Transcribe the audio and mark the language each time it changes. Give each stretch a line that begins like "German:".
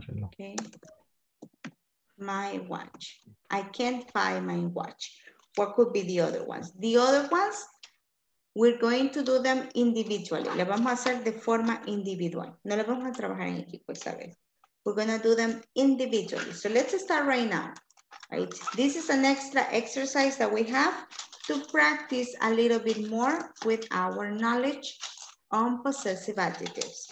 English: Okay, my watch. I can't find my watch. What could be the other ones? The other ones, we're going to do them individually.
Spanish: Le vamos a hacer de forma individual. No le vamos a trabajar en equipo esta vez.
English: We're gonna do them individually. So let's start right now. Right, this is an extra exercise that we have to practice a little bit more with our knowledge on possessive adjectives.